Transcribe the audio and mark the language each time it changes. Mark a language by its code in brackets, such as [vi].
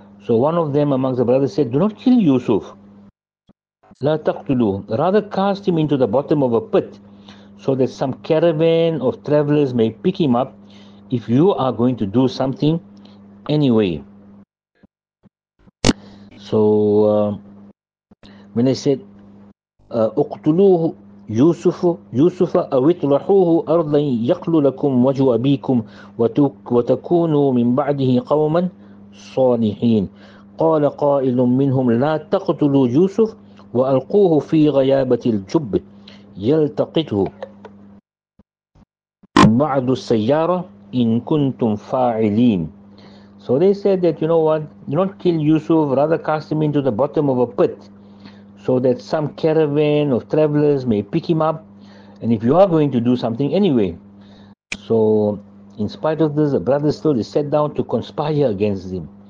[en] So one of them amongst the brothers said, do not kill Yusuf. La taqtulu. Rather cast him into the bottom of a pit, so that some caravan of travelers may pick him up, if you are going to do something anyway. So when I said, [ar] اقتلوه يوسف يوسف أو اطرحوه أرضا يقل لكم وجه أبيكم وتكونوا من بعده قوما صالحين قال قائل منهم لا تقتلوا يوسف وألقوه في غيابة الجب يلتقطه بعض السيارة إن كنتم فاعلين. [en] So they said that, you know what, do not kill Yusuf, rather cast him into the bottom of a pit, so that some caravan of travelers may pick him up, and if you are going to do something anyway. So in spite of this, the brothers still sat down to conspire against him.